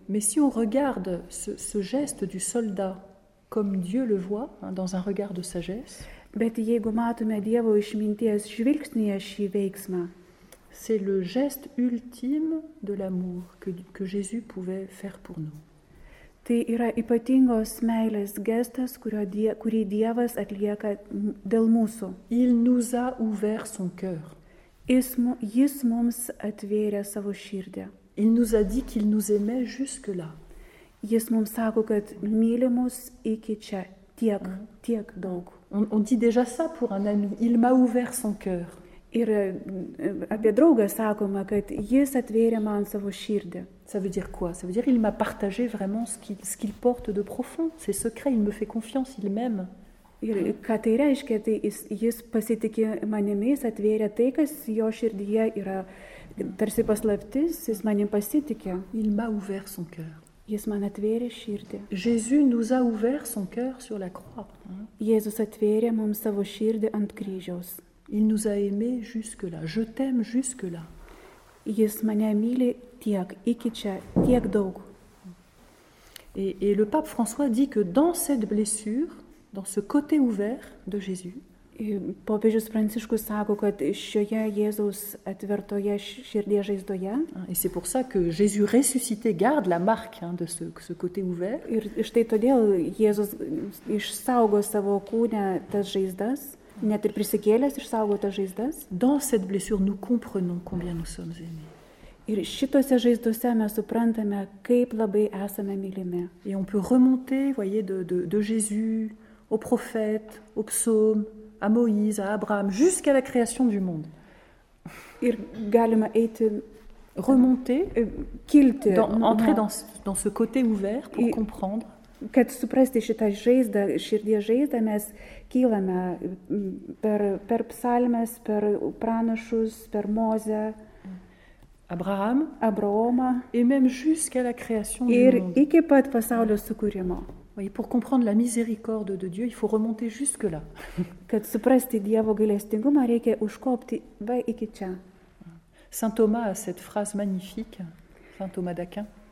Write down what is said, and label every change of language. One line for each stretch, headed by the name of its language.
French: Mais si on regarde ce geste du soldat comme Dieu le voit, hein, dans un regard de sagesse,
Lithuanian: bet jeigu matome Dievo išminties žvilgsnyje šį veiksmą,
French: c'est le geste ultime de l'amour que Jésus pouvait faire pour nous.
Lithuanian: Tai yra ypatingos meilės gestas, kurį Dievas atlieka dėl mūsų.
French: Il nous a ouvert son cœur.
Lithuanian: Jis mums atvėrė savo širdį.
French: Il nous a dit qu'il nous aimait jusque-là.
Lithuanian: Jis mums sako, kad myli mus iki čia, tiek daug.
French: On dit déjà ça pour un ami. Il m'a ouvert son cœur.
Lithuanian: Ir apie draugą sakoma, kad jis atvėrė man savo širdį.
French: Ça veut dire quoi? Ça veut dire il m'a partagé vraiment ce qu'il porte de profond, ses secrets, il me fait confiance, il m'aime.
Lithuanian: Ir ką tai reiškia, tai jis pasitikė manimi, jis atvėrė tai, kas jo širdyje yra tarsi paslaptis, jis manim pasitikė.
French: Il m'a ouvert son cœur.
Lithuanian: Jis man atvėrė širdį.
French: Jésus nous a ouvert son cœur sur la croix.
Lithuanian: Jėzus atvėrė mums savo širdį ant kryžiaus.
French: Il nous a aimés jusque-là. Je t'aime jusque-là.
Lithuanian: Jis mane myli tiek, iki čia, tiek daug.
French: Et le pape François dit que dans cette blessure, dans ce côté ouvert de Jésus,
Lithuanian: popiežius Pranciškus sako, kad šioje Jėzaus atvertoje širdies žaizdoje,
French: et c'est pour ça que Jésus ressuscité garde la marque de ce côté ouvert.
Lithuanian: Ir štai todėl Jėzus išsaugo savo kūne tas žaizdas. Net ir prisikėlęs išsaugo tas žaizdas.
French: Dans cette blessure, nous comprenons combien nous sommes aimés.
Lithuanian: Ir šitose žaizdose mes suprantame, kaip labai esame mylimi.
French: Et on peut remonter, voyez, de Jésus, au prophète, au psaume, à Moïse, à Abraham, jusqu'à la création du monde.
Lithuanian: Ir galima eiti...
French: Remonter,
Lithuanian: kilti,
French: entrer dans ce côté ouvert pour comprendre...
Lithuanian: Kad suprasti šitą žaizdą, širdies žaizdą, mes kylame per psalmes, per pranašus, per Mozę, Abraomą
French: et même jusqu'à la création du
Lithuanian: monde. Ir iki pat pasaulio sukūrimo.
French: Voyez, pour comprendre la miséricorde de Dieu, il faut remonter jusque là.
Lithuanian: Kad suprasti Dievo gailestingumą, reikia užkopti va iki čia.
French: Saint Thomas a cette phrase magnifique, Saint Thomas d'Aquin.